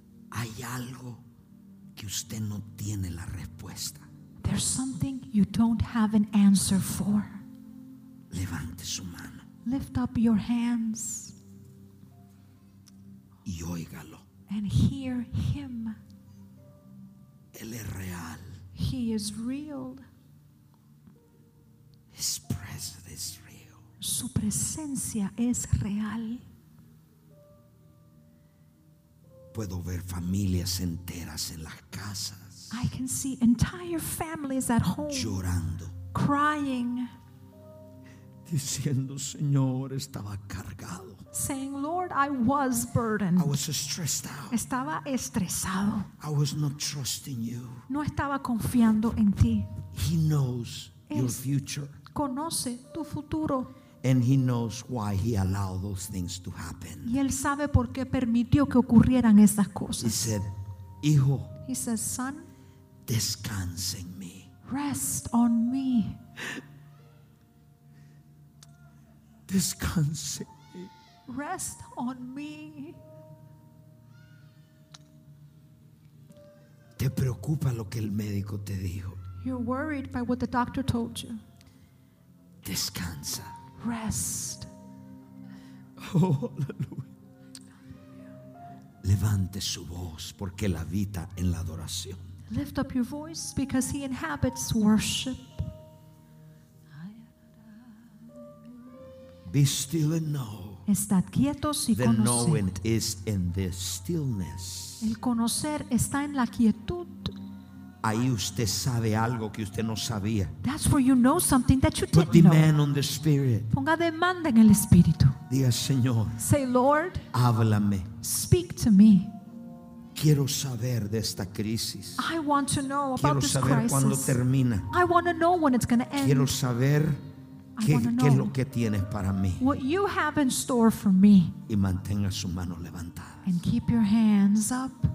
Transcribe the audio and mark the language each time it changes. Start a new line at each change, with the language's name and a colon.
Spanish: Hay algo que usted no tiene la respuesta.
English: There's something you don't have an answer for.
Spanish: Levante su mano.
English: Lift up your hands.
Spanish: Y óigalo.
English: And hear him.
Spanish: Él es real.
English: He is real. His presence is real.
Spanish: Su presencia es real. Puedo ver familias enteras en las casas.
English: I can see entire families at home.
Spanish: Llorando.
English: Crying.
Spanish: Diciendo, Señor, estaba cargado.
English: Saying, Lord, I was burdened. I was stressed out.
Spanish: Estaba estresado.
English: I was not trusting you.
Spanish: No estaba confiando en ti.
English: He knows your future.
Spanish: Conoce tu futuro.
English: And he knows why he allowed those things to happen.
Spanish: Y él sabe por qué permitió que ocurrieran esas cosas.
English: He said, hijo. He says, son.
Spanish: Descanse en mí.
English: Rest on me.
Spanish: Descanse en mí.
English: Rest on me.
Spanish: Te preocupa lo que el médico te dijo.
English: You're worried by what the doctor told you.
Spanish: Descansa.
English: Rest.
Spanish: Oh, aleluya. Levante su voz porque él habita en la adoración.
English: Lift up your voice because he inhabits worship. Be still and know.
Spanish: Estad quietos y conoced.
English: The knowing is in the stillness.
Spanish: El conocer está en la quietud. Ahí usted sabe algo que usted no sabía.
English: That's where you know something that you didn't know. Put demand on the Spirit.
Spanish: Ponga demanda en el Espíritu. Diga, Señor.
English: Say, Lord.
Spanish: Háblame.
English: Speak to me.
Spanish: Quiero saber de esta crisis.
English: I want to know about this crisis.
Spanish: Quiero saber cuándo termina.
English: I want to know when it's going to end.
Spanish: Quiero saber qué es lo que tienes para mí.
English: What you have in store for me.
Spanish: Y mantenga su mano levantada.
English: And keep your hands up.